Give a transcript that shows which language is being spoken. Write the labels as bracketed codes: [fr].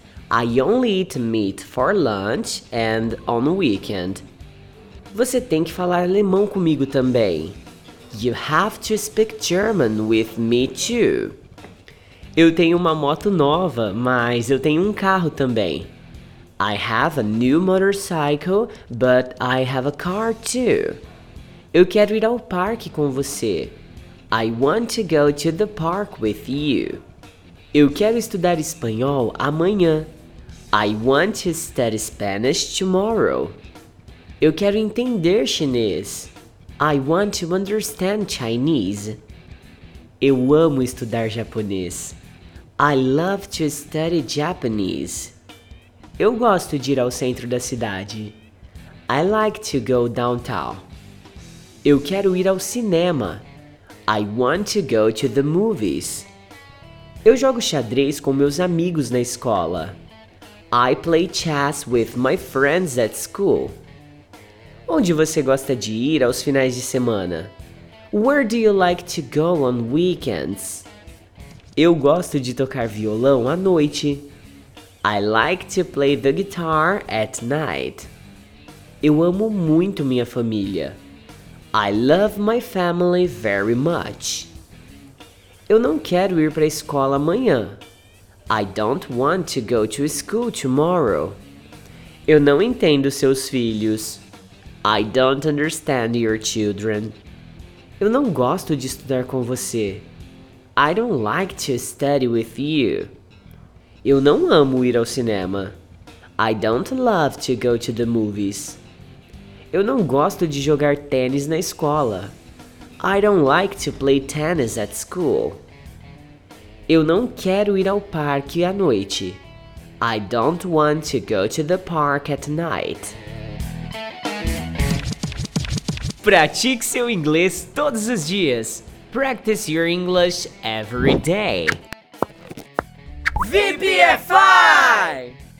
[en] I only eat meat for lunch and on weekend. [pt] Você tem que falar alemão comigo também. [en] You have to speak German with me too. [pt] Eu tenho uma moto nova, mas eu tenho um carro também. [en] I have a new motorcycle, but I have a car too. [pt] Eu quero ir ao parque com você. [en] I want to go to the park with you. [pt] Eu quero estudar espanhol amanhã. [en] I want to study Spanish tomorrow. [pt] Eu quero entender chinês. [en] I want to understand Chinese. [pt] Eu amo estudar japonês. [en] I love to study Japanese. [pt] Eu gosto de ir ao centro da cidade. [en] I like to go downtown. [pt] Eu quero ir ao cinema. [en] I want to go to the movies. [pt] Eu jogo xadrez com meus amigos na escola. [en] I play chess with my friends at school. [pt] Onde você gosta de ir aos finais de semana? [en] Where do you like to go on weekends? [pt] Eu gosto de tocar violão à noite. [en] I like to play the guitar at night. [pt] Eu amo muito minha família. [en] I love my family very much. [pt] Eu não quero ir para a escola amanhã. [en] I don't want to go to school tomorrow. [pt] Eu não entendo seus filhos. [en] I don't understand your children. [pt] Eu não gosto de estudar com você. [en] I don't like to study with you. [pt] Eu não amo ir ao cinema. [en] I don't love to go to the movies. [pt] Eu não gosto de jogar tênis na escola. [en] I don't like to play tennis at school. [pt] Eu não quero ir ao parque à noite. [en] I don't want to go to the park at night. [pt] Pratique seu inglês todos os dias. [en] Practice your English every day. VPFI!